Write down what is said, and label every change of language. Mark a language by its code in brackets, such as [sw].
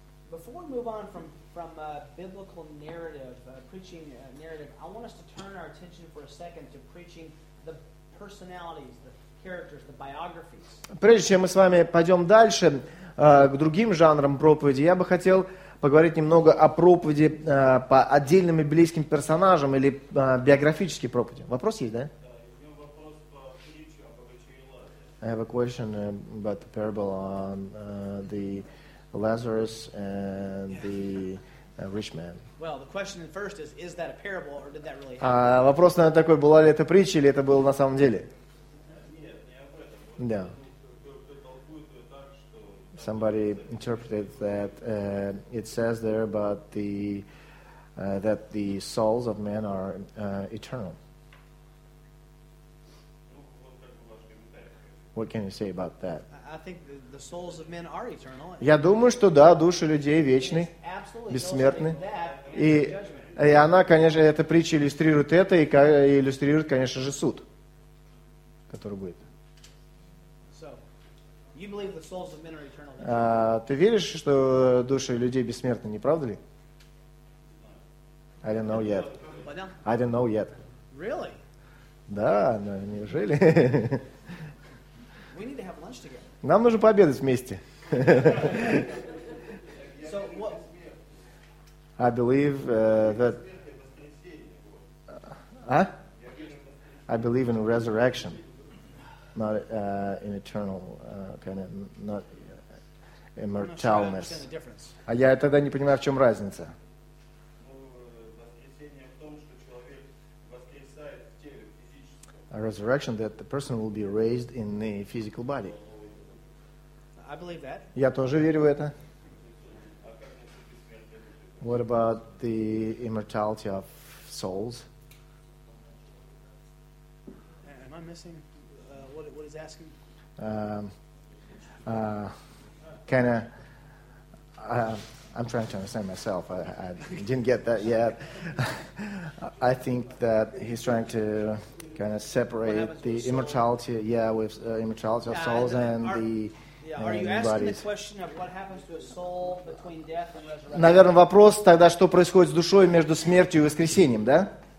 [en] Before we move on from biblical narrative, preaching narrative, I want us to turn our attention for a second to preaching the personalities, the characters, the biographies. [ru] Прежде чем мы с вами пойдем дальше к другим жанрам проповеди, я бы хотел поговорить немного о проповеди по отдельным и близким персонажам или биографической проповеди. Вопрос есть, да? Да, у меня вопрос по притче о богаче и Лазаре. [en] I have a question about the parable on the Lazarus and the rich man. Well, the question first is that a parable or did that really happen? [ru] Вопрос, наверное, такой, была ли это притча или это было на самом деле? Нет, не об этом. Да. [en] Somebody interpreted that it says there about the that the souls of men are eternal. What can you say about that? I think the souls of men are eternal. [ru] Я думаю, что да, души людей вечны, бессмертны. И она, конечно, эта притча иллюстрирует это и иллюстрирует, конечно же, суд, который будет. [en] You believe the souls of men are eternal? [ru] Ты веришь, что души людей бессмертны, не правда ли? [en] I don't know yet. I don't know yet. Really? [ru] Да, но неужели? [en] We need to have lunch together. [ru] Нам нужно пообедать вместе. [en] So what? I believe that. I believe in resurrection. Not an eternal kind of not immortalness. [ru] А я тогда не понимаю, в чем разница. Воскресение в том, что человек воскресает в теле физическом. [en] resurrection, that the person will be raised in a physical body. I believe that. [ru] Я тоже верю в это. [en] What about the immortality of souls? Am I missing what is asking? I'm trying to understand myself. I didn't get that yet. I think that he's trying to kind of separate the immortality, immortality of souls and the Are you asking bodies. The question of what happens to a soul between death and resurrection? [ru] Наверное, вопрос тогда, что происходит с душой между смертью и воскресением, да?